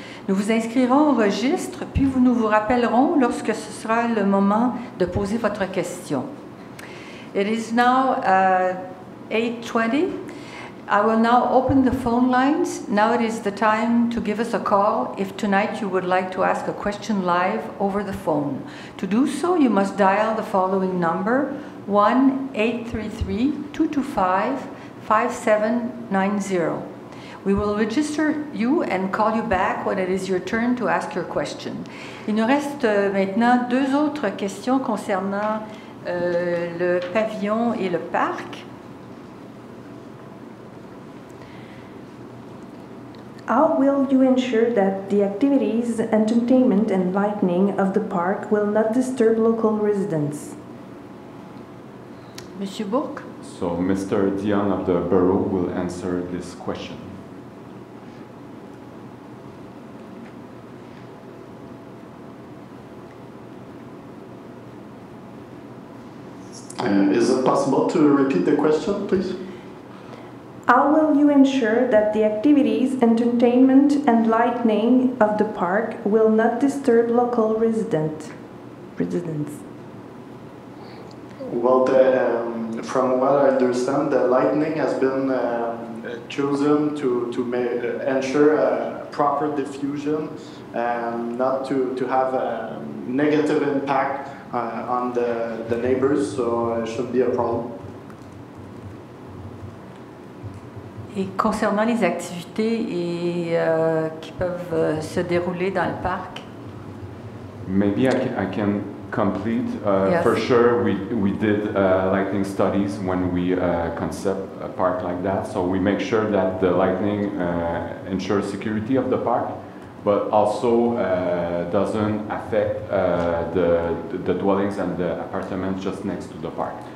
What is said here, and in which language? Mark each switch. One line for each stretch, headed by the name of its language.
French: Nous vous inscrirons au registre, puis nous vous rappellerons lorsque ce sera le moment de poser votre question.
English: It is now 8:20. I will now open the phone lines. Now it is the time to give us a call if tonight you would like to ask a question live over the phone. To do so, you must dial the following number, 1-833-225-5790. We will register you and call you back when it is your turn to ask your question.
French: Il nous reste maintenant deux autres questions concernant le pavillon et le parc.
English: How will you ensure that the activities, entertainment, and lighting of the park will not disturb local residents?
French: Monsieur Bourg?
English: So Mr. Dion of the borough will answer this question. Is it possible to repeat the question, please? How will you ensure that the activities, entertainment, and lighting of the park will not disturb local residents? Well, from what I understand, the lighting has been chosen to ensure a proper diffusion and not to have a negative impact on the neighbors, so it shouldn't be a problem.
French: Et concernant les activités et qui peuvent se dérouler dans le parc.
English: Maybe I can complete. Yes. For sure, we did lightning studies when we concept a park like that. So we make sure that the lightning ensures security of the park, but also doesn't affect the dwellings and the apartments just next to the park.